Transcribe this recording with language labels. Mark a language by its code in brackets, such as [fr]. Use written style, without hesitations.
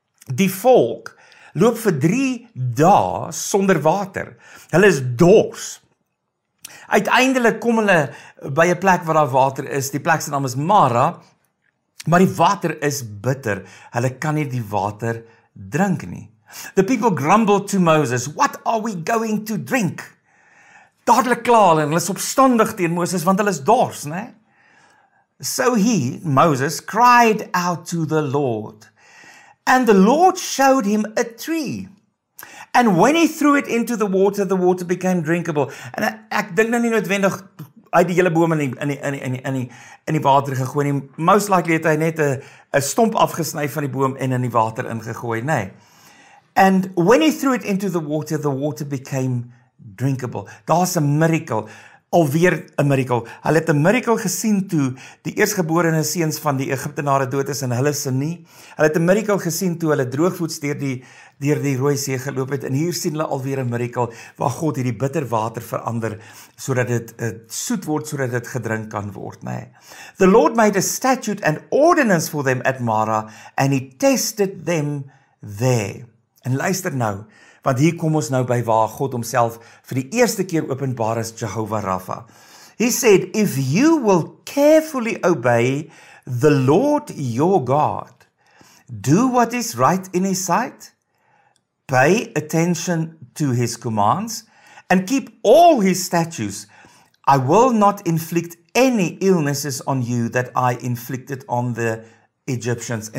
[af] Die volk loop vir 3 dae sonder water. Hulle is dors. Uiteindelik kom hulle by 'n plek waar daar water is. Die plek se naam is Mara, maar die water is bitter. Hulle kan nie die water drink nie. [en] The people grumbled to Moses, "What are we going to drink?" [af] Dadelik kla hulle en hulle is opstandig teen Moses want hulle is dors, né? [en] So he, Moses, cried out to the Lord. And the Lord showed him a tree. And when he threw it into the water became drinkable. [af] En ek dink nou nie noodwendig uit die hele boom in die water gegooi nie. Most likely het hy net 'n stomp afgesny van die boom en in die water ingegooi, né? [en] And when he threw it into the water became drinkable. [af] Daar's 'n miracle, alweer 'n miracle. Hulle het 'n miracle gesien toe die eersgeborene seuns van die Egiptenare dood is en hulle se nie. Hulle het 'n miracle gesien toe hulle droogvoets deur die Rooi See geloop het en hier sien hulle alweer 'n miracle waar God hierdie bitter water verander sodat dit soet word sodat dit gedrink kan word, nê. Nee. [en] The Lord made a statute and ordinance for them at Mara and he tested them there. [af] En luister nou, want hier kom ons nou by waar God homself vir die eerste keer openbaar as Jehovah Rapha. [en] He said, if you will carefully obey the Lord your God, do what is right in his sight, pay attention to his commands, and keep all his statutes, I will not inflict any illnesses on you that I inflicted on the Egyptians.